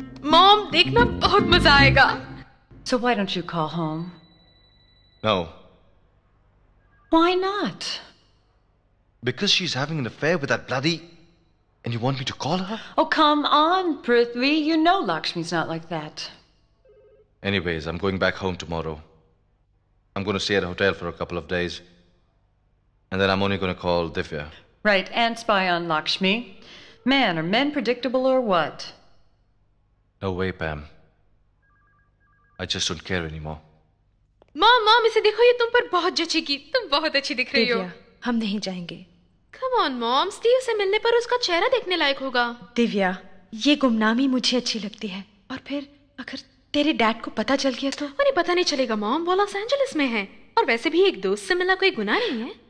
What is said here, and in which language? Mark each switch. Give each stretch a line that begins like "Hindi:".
Hindi: Mom देखना बहुत मजा आएगा
English: So why don't you call home no why not because she is having an affair with that bloody and you want me to call her oh come on Prithvi you know Lakshmi is not like that Anyways, I'm going back home tomorrow. I'm going to stay at a hotel for a couple of days. And then I'm only going to call Divya. Right, and spy on Lakshmi. Man, are men predictable or what? No way, Pam. I just don't care anymore. Mom,
Hindi: इसे देखो ये तुम पर बहुत जचेगी. तुम बहुत अच्छी दिख रही हो. Divya, हम नहीं जाएंगे.
English: Come on, Mom.
Hindi: Steve से मिलने पर उसका चेहरा देखने लायक होगा. Divya, ये गुमनामी मुझे अच्छी लगती है. और फिर अगर तेरे डैड को पता चल गया तो अरे पता नहीं चलेगा मॉम वो लॉस एंजेलिस में है और वैसे भी एक दोस्त से मिलना कोई गुनाह नहीं है